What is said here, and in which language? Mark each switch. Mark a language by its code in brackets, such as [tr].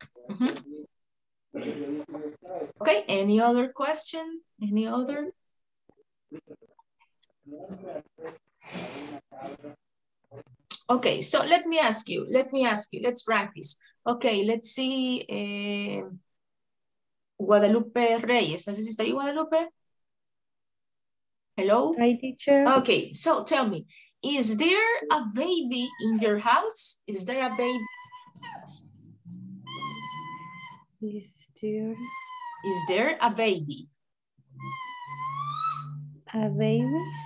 [en] Mm-hmm. Okay, any other question? Any other? Okay, so let me ask you, let me ask you, let's practice. Okay, let's see. [es] Guadalupe Reyes, no sé si está ahí, Guadalupe. [en] Hello? Hi, teacher. Okay, so tell me, is there a baby in your house? Is there a baby? Is there a baby? A baby?